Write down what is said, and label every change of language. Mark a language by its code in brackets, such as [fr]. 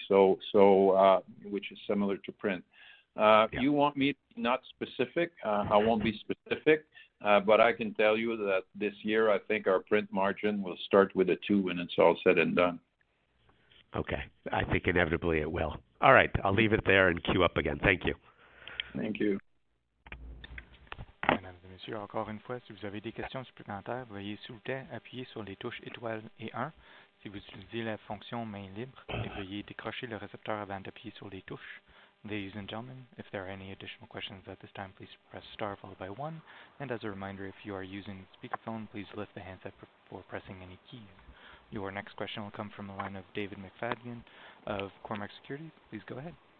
[en] So which is similar to print. You want me not specific? I won't be specific, but I can tell you that this year, I think our print margin will start with a 2 when it's all said and done. Okay. I think inevitably it will. All right. I'll leave it there and queue up again. Thank you. Thank you. [fr] Mesdames et messieurs, encore une fois, si vous avez des questions supplémentaires, veuillez s'il vous plaît appuyer sur les touches étoiles et 1. Si vous utilisez la fonction main libre, veuillez décrocher le récepteur avant d'appuyer sur les touches. [en] Ladies and gentlemen, if there are any additional questions at this time, please press star followed by 1. And as a reminder, if you are using a speakerphone, please lift the handset before pressing any keys. Your next question will come from the line of David McFadden of Cormark Securities. Please go ahead.